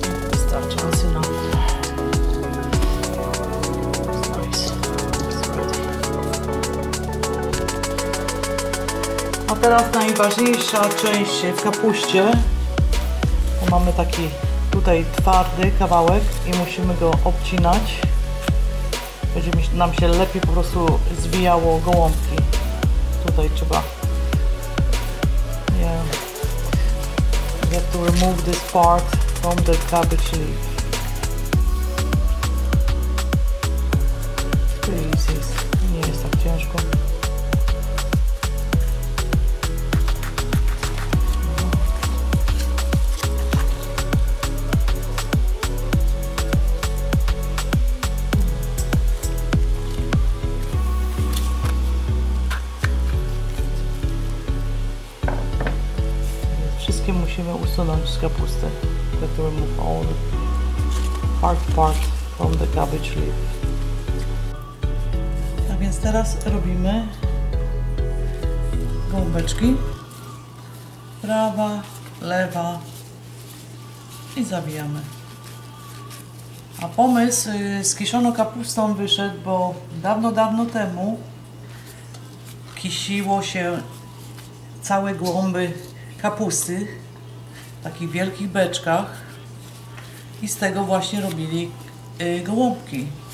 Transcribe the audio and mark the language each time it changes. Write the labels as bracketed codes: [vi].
[pl] Wystarczy, [en] that's enough. It's nice. It's ready. [pl] A teraz najważniejsza część w kapuście. Bo mamy taki tutaj twardy kawałek i musimy go obcinać. Będzie nam się lepiej po prostu zwijało gołąbki. Tutaj trzeba. Yeah. [en] You have to remove this part from the cabbage leaf. [pl] Jesus. Nie jest tak ciężko. Musimy usunąć z kapusty. [en] We have to remove all the hard part from the cabbage leaf. [pl] Tak więc teraz robimy gołąbeczki. Prawa, lewa, i zawijamy. A pomysł z kiszoną kapustą wyszedł, bo dawno, dawno temu kisiło się całe głąby kapusty w takich wielkich beczkach i z tego właśnie robili gołąbki.